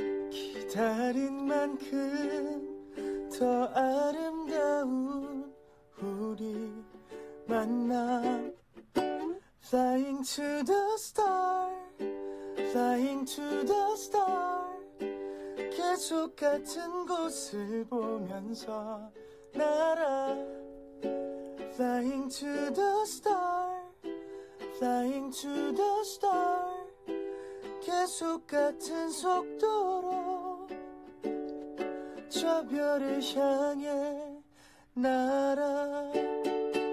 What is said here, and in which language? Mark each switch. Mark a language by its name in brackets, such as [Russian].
[Korean] 기다린 만큼 더 아름다운 우리 만남. [English] Flying to the star, flying to the star. [Korean] 계속 같은 곳을 보면서 날아. [English] Flying to the star, flying to the star. [Korean] 계속 같은 속도로 저 별을 향해 날아.